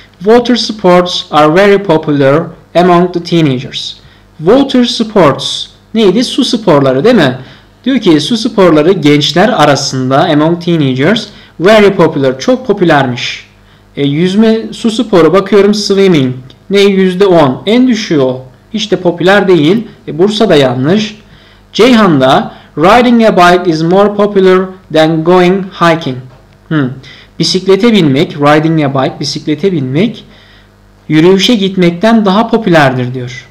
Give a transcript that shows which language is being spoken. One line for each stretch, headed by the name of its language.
English: Water sports are very popular among the teenagers. Water sports
Turkish: neydi? Su sporları değil mi? Diyor ki su sporları gençler arasında,
English: among teenagers, very popular,
Turkish: çok popülermiş. Yüzme, su sporu, bakıyorum, swimming. Ne? %10. En düşüğü o. Hiç de popüler değil. Bursa'da yanlış.
English: Ceyhan'da riding a bike is more popular than going hiking.
Turkish: Bisiklete binmek,
English: riding a bike,
Turkish: bisiklete binmek, yürüyüşe gitmekten daha popülerdir diyor.